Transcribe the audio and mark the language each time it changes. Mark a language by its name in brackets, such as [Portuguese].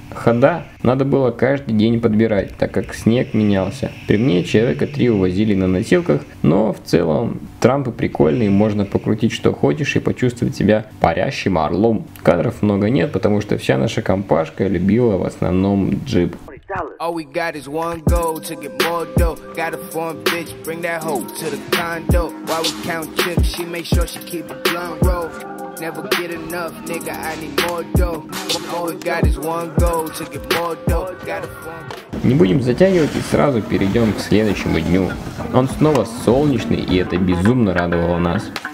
[Russian] Хода надо было каждый день подбирать, так как снег менялся. При мне человека 3 увозили на носилках, но в целом трампы прикольные, можно покрутить что хочешь и почувствовать себя парящим орлом. Кадров много нет, потому что вся наша компашка любила в основном джип. [English] All we got is one goal to get more dough. Got a foreign bitch, bring that hoe to the condo. While we count chips, she make sure she keep a blunt roll. Never get enough, nigga, I need more dough. All we got is one goal to get more dough. Got a foreign... [Russian] Не будем затягивать и сразу перейдем к следующему дню. Он снова солнечный, и это безумно радовало нас.